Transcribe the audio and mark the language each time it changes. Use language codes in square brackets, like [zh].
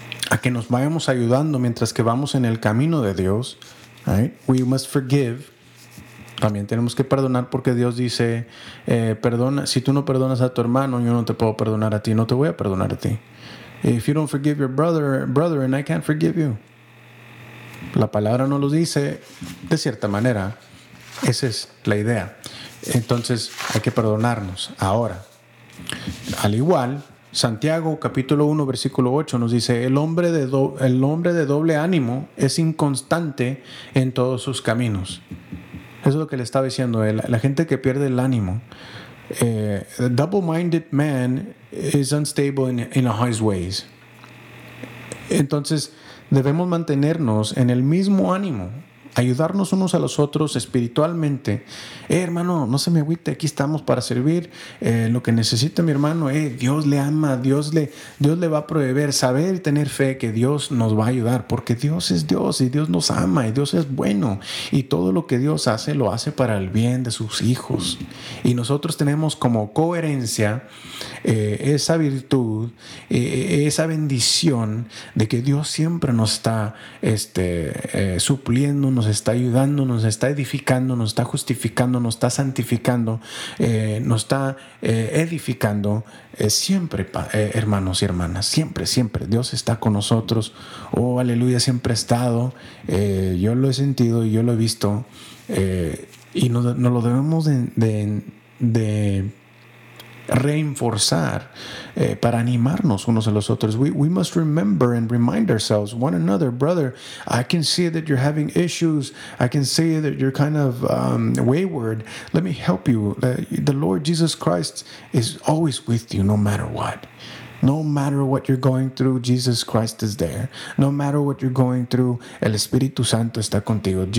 [es] A que nos vayamos ayudando mientras que vamos en el camino de Dios. [en] Right? We must forgive. [es] También tenemos que perdonar porque Dios dice, perdona, si tú no perdonas a tu hermano, yo no te puedo perdonar a ti, no te voy a perdonar a ti. [en] If you don't forgive your brother, and I can't forgive you. [es] La palabra no lo dice, de cierta manera, esa es la idea. Entonces, hay que perdonarnos ahora. Al igual, Santiago capítulo 1, versículo 8 nos dice, el hombre de doble ánimo es inconstante en todos sus caminos. Eso es lo que le estaba diciendo, la gente que pierde el ánimo. [en] The double-minded man is unstable in all his ways. [es] Entonces, debemos mantenernos en el mismo ánimo, ayudarnos unos a los otros espiritualmente. Hermano, no se me agüite, aquí estamos para servir. Lo que necesita mi hermano, Dios le ama, Dios le va a proveer. Saber y tener fe que Dios nos va a ayudar, porque Dios es Dios y Dios nos ama y Dios es bueno. Y todo lo que Dios hace, lo hace para el bien de sus hijos. Y nosotros tenemos como coherencia esa virtud, esa bendición de que Dios siempre nos está supliendo, nos está ayudando, nos está edificando, nos está justificando, nos está santificando, nos está edificando siempre, hermanos y hermanas, siempre, siempre. Dios está con nosotros. Oh, aleluya, siempre ha estado. Yo lo he sentido y yo lo he visto. Y nos lo debemos de reinforzar para animarnos unos a los otros. [en] We must remember and remind ourselves one another. Brother, I can see that you're having issues. I can see that you're kind of wayward. Let me help you. The Lord Jesus Christ is always with you no matter what. No matter what you're going through, Jesus Christ is there. No matter what you're going through, [es] el Espíritu Santo está contigo.